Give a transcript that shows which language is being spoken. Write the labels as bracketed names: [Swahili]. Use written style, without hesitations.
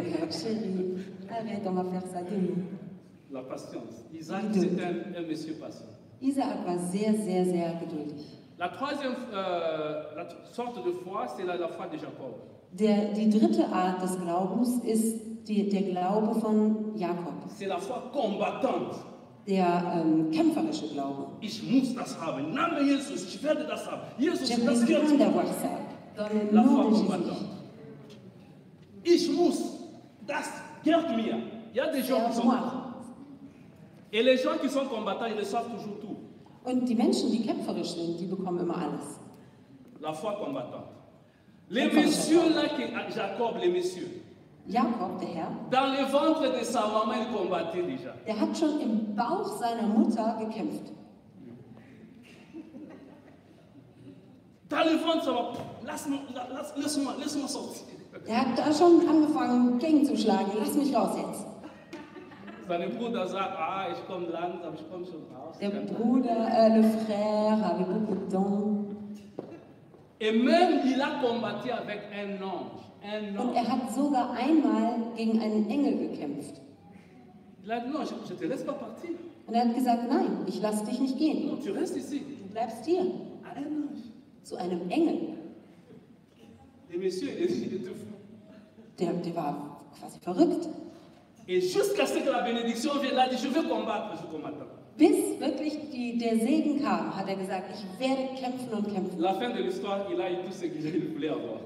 [French] Chérie, arrête, on va faire ça de nous. La patience. Isaac, c'est un monsieur patient. [German] Isaac war sehr, sehr, sehr geduldig. [French] La troisième sorte de foi, c'est la foi de Jacob. [German] Die dritte Art des Glaubens ist der Glaube von Jakob. [French] C'est la foi combattante. [German] Der kämpferische Glaube. Ich muss das haben. Im Namen Jesus, ich werde das haben. Jesus, das gehört mir. Ich muss das haben. Ich muss das gehört mir. Ja, die Jungs sind. [French] Et les gens qui sont combattants, ils le savent toujours tout. [German] Und die Menschen, die kämpferisch sind, die bekommen immer alles. [French] La foi combattante. Les messieurs là, Jacob, les messieurs. [German] Jakob, der Herr, [French] dans le ventre de sa maman, il combattait déjà. [German] Er hat schon im Bauch seiner Mutter gekämpft. [French] Dans le ventre, [German] lass mal [French] sortir. [German] Er hat da schon angefangen, gegenzuschlagen. Lass mich raus jetzt. Seine Bruder sagt, ich komme langsam, ich komme schon raus. Der Bruder, [French] le frère, avec beaucoup de temps. Et même, il a combattu avec un ange. [German] Und er hat sogar einmal gegen einen Engel gekämpft. [French] Il a dit, non, je te laisse pas partir. [German] Und er hat gesagt, nein, ich lasse dich nicht gehen. [French] Non, tu restes ici. [German] Du bleibst hier. Zu einem Engel. [French] Le monsieur, il était fou. [German] Der war quasi verrückt. [French] Et jusqu'à ce que la bénédiction vienne, là, dit, je veux combattre, je combattre. [German] Bis wirklich der Segen kam, hat er gesagt, ich werde kämpfen und kämpfen. [French] La fin de l'histoire, il a eu tout ce qu'il voulait avoir.